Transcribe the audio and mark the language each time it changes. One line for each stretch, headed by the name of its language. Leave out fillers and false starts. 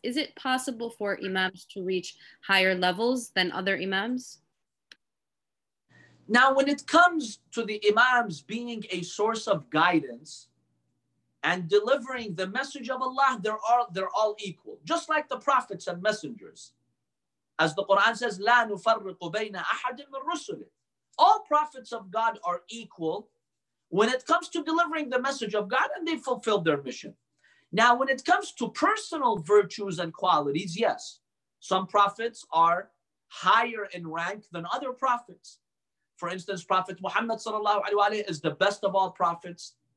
English: Is it possible for Imams to reach higher levels than other Imams? Now, when it comes to the Imams being a source of guidance and delivering the message of Allah, they're all equal. Just like the prophets and messengers. As the Quran says,
Arabic: لا نفرق بين أحد من رسله.
English: All prophets of God are equal when it comes to delivering the message of God, and they fulfilled their mission. Now, when it comes to personal virtues and qualities, yes, some prophets are higher in rank than other prophets. For instance, Prophet Muhammad sallallahu alaihi wasallam is the best of all prophets.